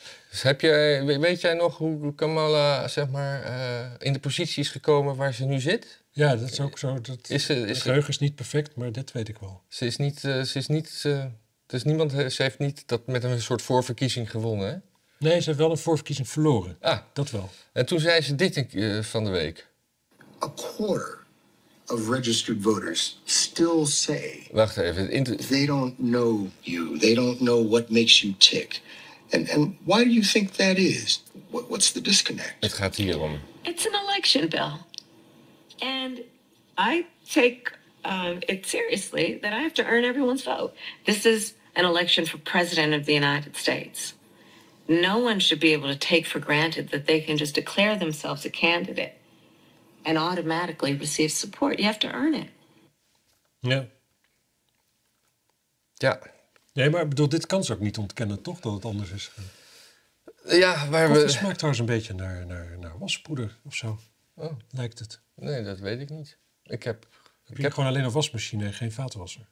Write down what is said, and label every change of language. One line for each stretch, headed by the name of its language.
Dutch: Dus weet jij nog hoe Kamala, zeg maar, in de positie is gekomen waar ze nu zit? Ja, dat is ook zo. Geheugen is niet perfect, maar dit weet ik wel. Ze heeft niet dat met een soort voorverkiezing gewonnen, hè? Nee, ze heeft wel een voorverkiezing verloren. Ah. Dat wel. En toen zei ze dit van de week.
English: A quarter of registered voters still say...
Dutch: Wacht even.
English: They don't know you. They don't know what makes you tick. And why do you think that is? What's the disconnect?
Dutch: Het gaat hier om.
English: It's an election, Bill. And I take it seriously that I have to earn everyone's vote. This is an election for president of the United States. No one should be able to take for granted that they can just declare themselves a candidate and automatically receive support. You have to earn it.
Dutch: Ja. Ja. Nee, maar ik bedoel, dit kan ze ook niet ontkennen, toch? Dat het anders is. Ja, maar... Het smaakt trouwens een beetje naar waspoeder of zo. Oh. Lijkt het. Nee, dat weet ik niet. Ik heb gewoon alleen een wasmachine en geen vaatwasser.